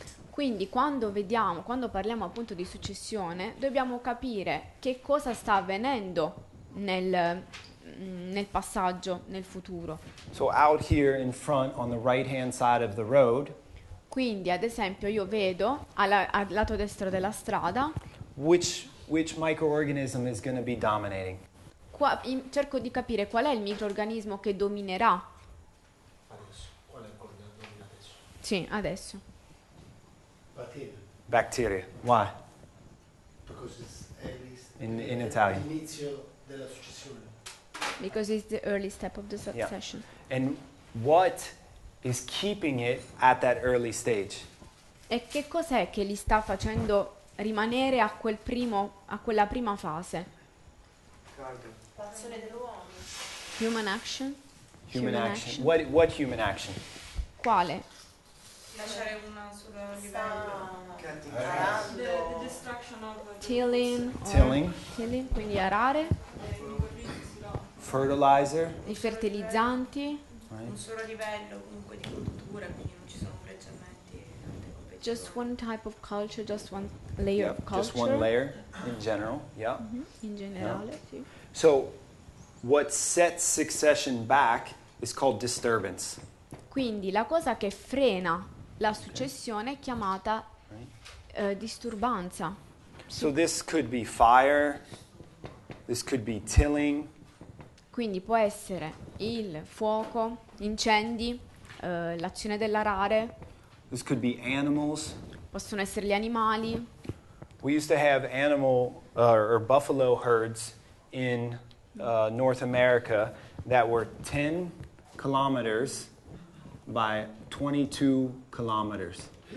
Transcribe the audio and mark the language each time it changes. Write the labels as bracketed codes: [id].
[it] Quindi, quando parliamo appunto di successione, dobbiamo capire che cosa sta avvenendo nel passaggio, nel futuro. [en] So, out here in front, on the right-hand side of the road. [it] Quindi, ad esempio, io vedo al lato destro della strada. [en] Which microorganism is going to be dominating? [it] Qua cerco di capire qual è il microorganismo che dominerà. Adesso, qual è il microorganismo adesso? Sì, adesso. [en] Bacteria. Bacteria. Why? Because it's early. In Italian. [it] Inizio della successione. [en] Because it's the early step of the succession. Yeah. And what is keeping it at that early stage? [it] E che cos'è che li sta facendo rimanere a quel primo, a quella prima fase? L'azione dell'uomo. [en] Human action. Human action. What human action? [it] Quale? Lasciare una sulla livello. [en] The destruction of the tilling. Tilling, [it] quindi arare. [en] Fertilizer. [it] I fertilizzanti. Un solo livello comunque di coltura, quindi non ci sono pregiamenti. [en] Just one type of culture, just one layer of culture. Just one layer in general, yeah. [it] Mm-hmm. In generale, [en] yeah. [it] Sì. [en] So, what sets succession back is called disturbance. [it] Quindi la cosa che frena la successione è chiamata disturbanza. [en] So this could be fire, this could be tilling. [it] Quindi può essere il fuoco, incendi, l'azione dell'arare. [en] This could be animals. [it] Possono essere gli animali. [en] We used to have animal or buffalo herds in North America that were 10 kilometers by 22 kilometers.